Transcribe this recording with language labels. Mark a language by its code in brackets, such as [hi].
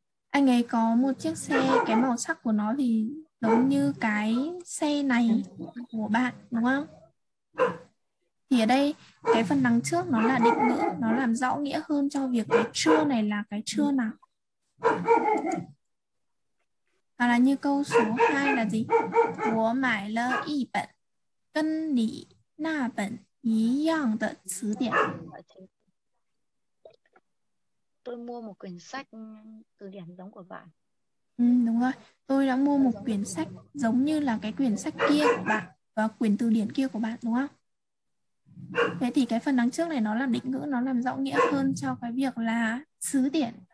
[vi] Anh ấy có một chiếc xe, cái màu sắc của nó thì giống như cái xe này của bạn, đúng không? Thì ở đây cái phần đằng trước nó là định ngữ, nó làm rõ nghĩa hơn cho việc cái trưa này là cái trưa nào. Và là như câu số 2 là gì? [zh] 我买了一本跟你那本一样的词典. [vi] Tôi mua một quyển sách từ điển giống của bạn. Ừ, đúng rồi. Tôi đã mua một quyển sách giống như là cái quyển sách kia của bạn và quyển từ điển kia của bạn, đúng không? Vậy thì cái phần đằng trước này nó làm định ngữ, nó làm rõ nghĩa hơn cho cái việc là sứ điển.